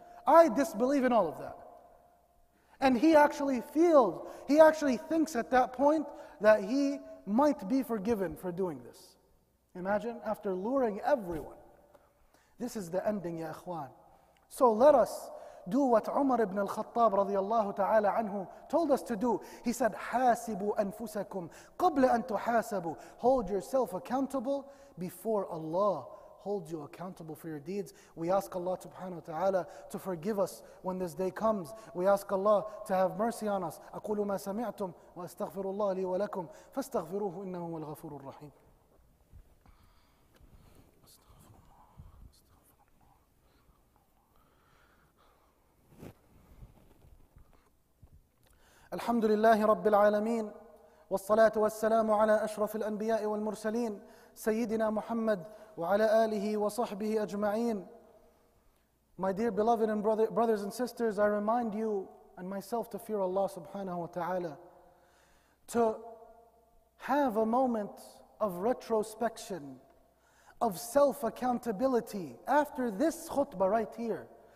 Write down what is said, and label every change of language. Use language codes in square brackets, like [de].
[en] I disbelieve in all of that. And he actually feels, he actually thinks at that point that he might be forgiven for doing this. Imagine, after luring everyone. This is the ending, [ar] ya ikhwan. [en] So let us do what Umar ibn al-Khattab radiallahu ta'ala anhu told us to do. [ar] He said, حَاسِبُوا أَنفُسَكُمْ قَبْلَ أَن تُحَاسَبُوا. [en] Hold yourself accountable before Allah holds you accountable for your deeds. We ask Allah subhanahu wa ta'ala to forgive us when this day comes. We ask Allah to have mercy on us. [ar] أَقُولُ مَا سَمِعْتُمْ وَأَسْتَغْفِرُ اللَّهَ لِي وَلَكُمْ فَاسْتَغْفِرُوهُ إِنَّهُ هُوَ الْغَفُورُ الرَّحِيمُ. الحمد لله رب العالمين والصلاة والسلام على أشرف الأنبياء والمرسلين سيدنا محمد وعلى آله وصحبه أجمعين. [en] My dear beloved and brothers and sisters, I remind you and myself to fear Allah subhanahu wa ta'ala, to have a moment of retrospection, of self-accountability after this khutbah right here.